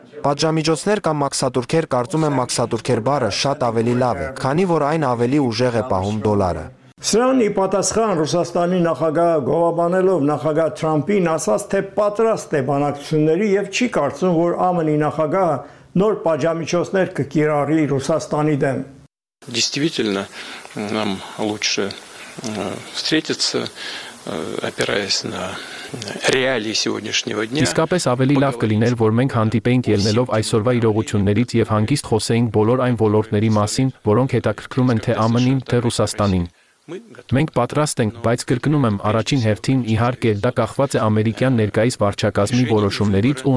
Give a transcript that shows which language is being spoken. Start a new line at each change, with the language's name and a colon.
Armenian: Պատժամիջոցներ կամ մաքսատուրքեր, կարծում եմ մաքսատուրքեր բառը շատ ավելի լավ է, քանի որ այն ավելի ուժեղ է պահում դոլարը։ Սրան ի պատասխան Ռուսաստանի նախագահը գովաբանելով նախագահ Թրամփին ասաց, թե պատրաստ է բանակցությունների եւ չի կարծում, որ ԱՄՆ-ի նախագահը նոր պատժամիջոցներ կկիրառի Ռուսաստանի դեմ։
Russian: Действительно, нам лучше встретиться, опираясь на реалии сегодняшнего дня.
Armenian: Իսկապես ավելի լավ կլիներ, որ մենք հանդիպեինք ելնելով այսօրվա իրողություններից եւ հանգիստ խոսեինք բոլոր այն ոլորտների մասին, որոնք հետաքրքրում են թե ԱՄՆ-ին, թե Ռուսաստանին։ Մենք պատրաստ ենք, բայց կրկնում եմ, առաջին հերթին իհարկե դա կախված է ամերիկյան ներկայիս վարչակազմի որոշումներից ու